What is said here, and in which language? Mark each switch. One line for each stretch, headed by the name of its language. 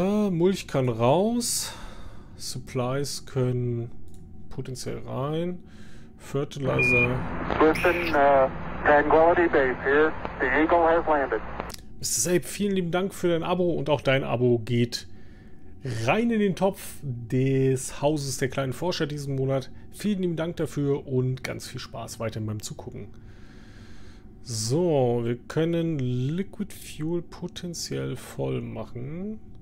German: Mulch kann raus. Supplies können potenziell rein.
English: Fertilizer. Listen, Tranquility Base here. The Eagle has landed. Mr.
German: Sape, vielen lieben Dank für dein Abo und auch dein Abo geht rein in den Topf des Hauses der kleinen Forscher diesen Monat. Vielen lieben Dank dafür und ganz viel Spaß weiterhin beim Zugucken. So, wir können Liquid Fuel potenziell voll machen.